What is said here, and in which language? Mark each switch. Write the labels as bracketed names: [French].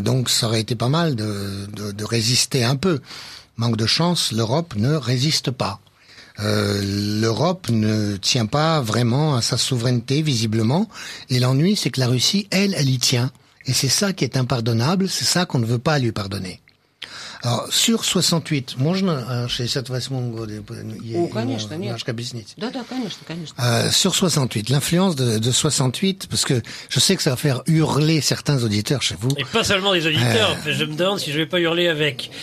[French] Donc ça aurait été pas mal de résister un peu. Manque de chance, l'Europe ne résiste pas. L'Europe ne tient pas vraiment à sa souveraineté, visiblement. Et l'ennui, c'est que la Russie, elle y tient. Et c'est ça qui est impardonnable, c'est ça qu'on ne veut pas lui pardonner. Alors, sur 68, [Russian] можно 68 года немножко объяснить? Да, конечно, конечно. [French] Sur 68, l'influence de 68, parce que je sais que ça va faire hurler certains auditeurs chez vous. Et pas seulement les auditeurs, je me demande si je vais pas hurler avec.